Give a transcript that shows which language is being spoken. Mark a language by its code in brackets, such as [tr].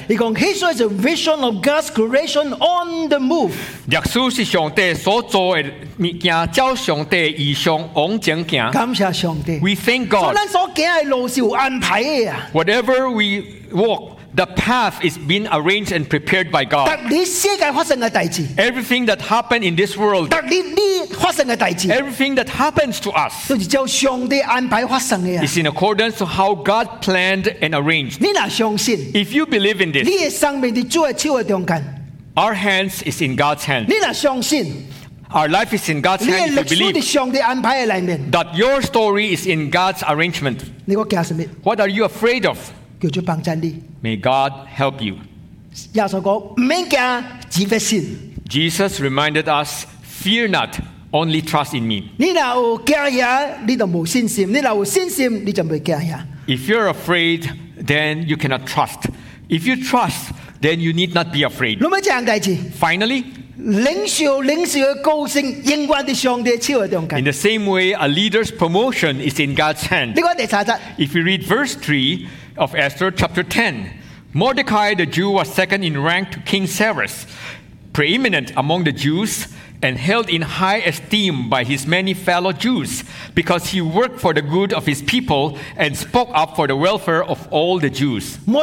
[en] "History is a vision of God's creation on the move." [nan] 历史是上帝所做的物件，照上帝意向往前行。感谢上帝。 [en] We thank God. [nan] 咱所行的路是有安排的呀。 [en] Whatever we walk. The path is being arranged and prepared by God. [nan] 当你世界发生的代志, [en] everything that happened in this world, [nan] 当你发生的代志, [en] everything that happens to us, [nan] 就是叫上帝安排发生的啊, [en] is in accordance to how God planned and arranged. [nan] 你若相信, [en] if you believe in this, [nan] 你的生命在主的手中间, [en] our hands is in God's hands. [nan] 你若相信, [en] our life is in God's hands. [nan] 你的历史在上帝安排的里面, [en] that your story is in God's arrangement. [nan] 你我怕什么? [en] What are you afraid of? May God help you. [nan] 耶稣说，不用怕，只要信。 [en] Jesus reminded us, fear not, only trust in me. [nan] 你若有惊吓，你就无信心；你若有信心，你就袂惊吓。 [en] If you're afraid, then you cannot trust. If you trust, then you need not be afraid. [nan] 那么这样代志。 [en] Finally, [nan] 领袖的高升永远在上帝手中间。 [en] In the same way, a leader's promotion is in God's hand. [nan] 你看第三节。 [en] If you read verse 3 of Esther chapter 10, Mordecai the Jew was second in rank to King Cyrus, preeminent among the Jews and held in high esteem by his many fellow Jews because he worked for the good of his people and spoke up for the welfare of all the Jews.